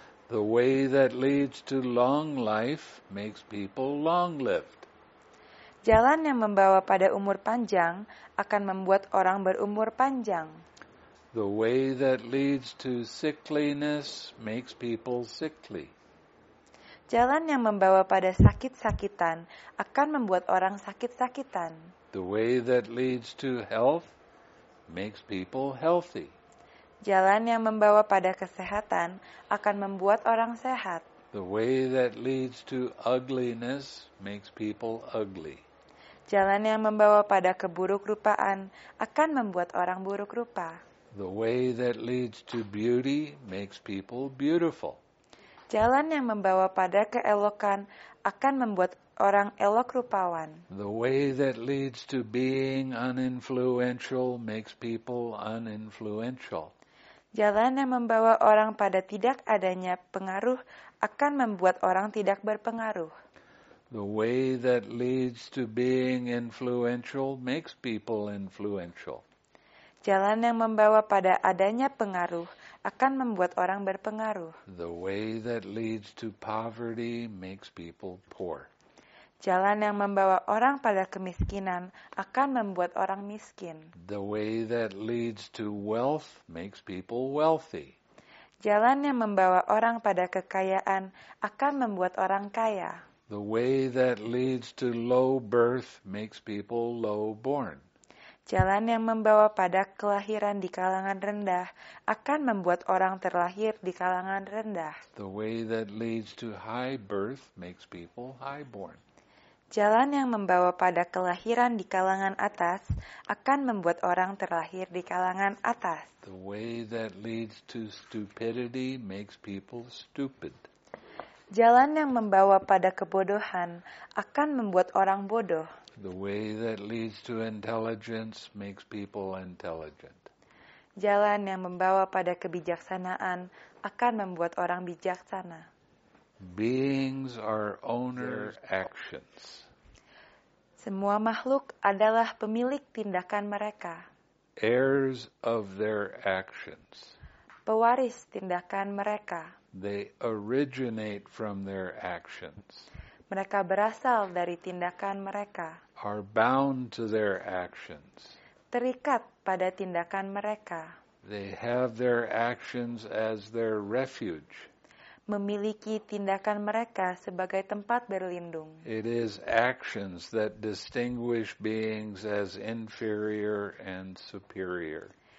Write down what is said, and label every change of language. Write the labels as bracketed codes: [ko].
[en] The way that leads to long life makes people long-lived. [id] Jalan yang membawa pada umur panjang akan membuat orang berumur panjang. [en] The way that leads to sickliness makes people sickly. [id] Jalan yang membawa pada sakit-sakitan akan membuat orang sakit-sakitan. [en] The way that leads to health makes people healthy. [id] Jalan yang membawa pada kesehatan akan membuat orang sehat. [en] The way that leads to ugliness makes people ugly. [id] Jalan yang membawa pada keburuk rupaan akan membuat orang buruk rupa. [en] The way that leads to beauty makes people beautiful. [id] Jalan yang membawa pada keelokan akan membuat orang elok rupawan. [en] The way that leads to being uninfluential makes people uninfluential. [id] Jalan yang membawa orang pada tidak adanya pengaruh akan membuat orang tidak berpengaruh. [en] The way that leads to being influential makes people influential. [id] Jalan yang membawa pada adanya pengaruh akan membuat orang berpengaruh. [en] The way that leads to poverty makes people poor. [id] Jalan yang membawa orang pada kemiskinan akan membuat orang miskin. [en] The way that leads to wealth makes people wealthy. [id] Jalan yang membawa orang pada kekayaan akan membuat orang kaya. [en] The way that leads to low birth makes people low born. [id] Jalan yang membawa pada kelahiran di kalangan rendah akan membuat orang terlahir di kalangan rendah. [en] The way that leads to high birth makes people high born. [id] Jalan yang membawa pada kelahiran di kalangan atas akan membuat orang terlahir di kalangan atas. [en] The way that leads to stupidity makes people stupid. [id] Jalan yang membawa pada kebodohan akan membuat orang bodoh. [en] The way that leads to intelligence makes people intelligent. [id] Jalan yang membawa pada kebijaksanaan akan membuat orang bijaksana. [en] Beings are owner actions. [id] Semua makhluk adalah pemilik tindakan mereka. [en] Heirs of their actions. [id] Pewaris tindakan mereka. [en] They originate from their actions. [id] Mereka berasal dari tindakan mereka. [en] Are bound to their actions. [id] Terikat pada tindakan mereka. [en] They have their actions as their refuge. [id] Memiliki tindakan mereka sebagai tempat berlindung. [en] It is actions that distinguish beings as inferior and superior.